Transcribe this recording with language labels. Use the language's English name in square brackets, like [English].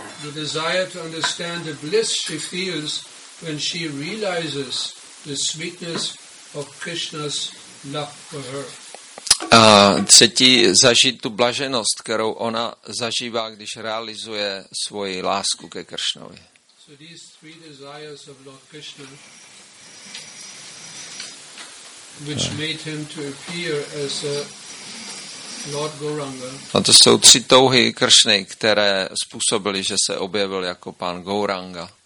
[English] the desire to understand the bliss she feels when she realizes the sweetness of Krishna's love for her. [Czech] A třetí, zažít tu blaženost, kterou ona zažívá, když realizuje svoji lásku ke Kršnovi. [English] So So these three desires of Lord Krishna, which made him to appear as a Lord Gauranga. [Czech] A to jsou tři touhy Kršny, které způsobily, že se objevil jako pán Gauranga.